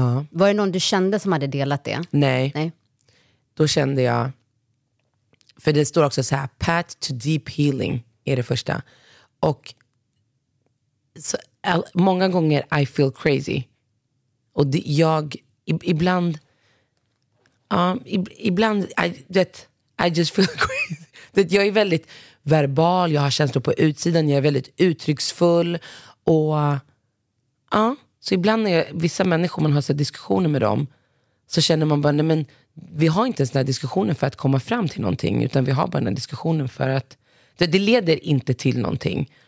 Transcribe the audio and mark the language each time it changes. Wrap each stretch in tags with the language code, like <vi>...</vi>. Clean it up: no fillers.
<sv>Var det någon du kände som hade delat det? Nej. Nej. Då kände jag, för det står också så här,</sv> <en>path to deep healing</en> <sv>är det första. Och så, många gånger</sv> <en>I feel crazy.</en> <sv>Och det, jag, ibland... ibland</sv> <en>I just feel crazy.</en> <sv>Jag är väldigt verbal. Jag har känslor på utsidan. Jag är väldigt uttrycksfull. Och så ibland när vissa människor man har så diskussioner med dem, så känner man bara, nej, men vi har inte ens den här diskussionen för att komma fram till någonting, utan vi har bara den här diskussionen för att det leder inte till någonting.</sv>